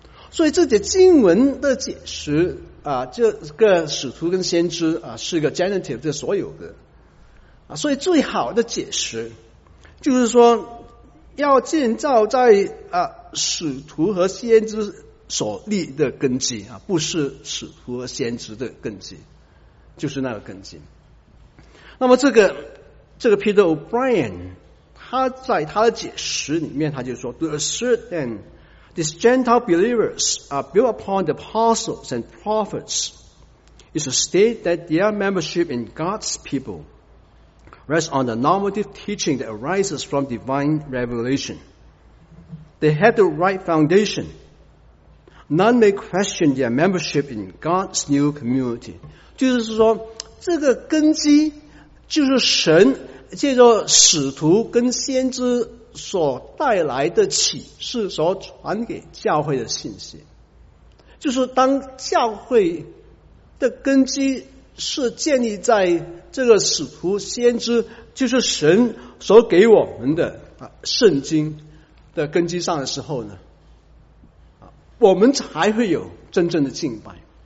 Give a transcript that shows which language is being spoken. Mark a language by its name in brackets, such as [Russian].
[Chinese] 所以这些经文的解释这个使徒跟先知是一个 genitive 的所有的所以最好的解释就是说要建造在使徒和先知所立的根基不是使徒和先知的根基，就是那个根基。那么这个 Peter O'Brien 他在他的解释里面，他就说 [English] To assert thenThese Gentile believers are built upon the apostles and prophets is to state that their membership in God's people rests on the normative teaching that arises from divine revelation. They have the right foundation. None may question their membership in God's new community. [Chinese] 就是说这个根基就是神借着使徒跟先知所带来的启示，所传给教会的信息，就是当教会的根基是建立在这个使徒先知，就是神所给我们的圣经的根基上的时候呢，我们才会有真正的敬拜。